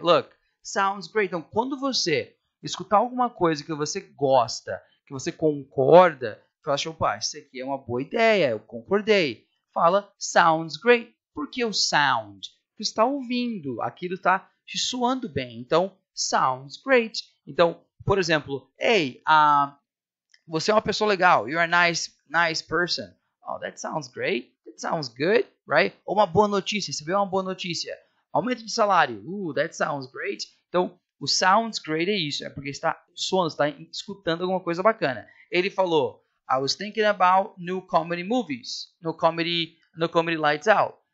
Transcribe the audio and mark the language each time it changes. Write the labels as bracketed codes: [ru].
[en] Look, sounds great. [pt] Então, quando você escutar alguma coisa que você gosta, que você concorda, você fala, opa, isso aqui é uma boa ideia, eu concordei. Fala, sounds great. Por que o sound? Você está ouvindo, aquilo está te soando bem. Então, sounds great. Então, por exemplo, hey, você é uma pessoa legal, [en] you're a nice person. Oh, that sounds great, that sounds good, right? [pt] Ou uma boa notícia, você vê uma boa notícia. Aumento de salário, [en] that sounds great. [pt] Então, o sounds great é isso, é porque está soando, está escutando alguma coisa bacana. Ele falou, [en] I was thinking about new comedy movies, [pt] no comedy Lights Out.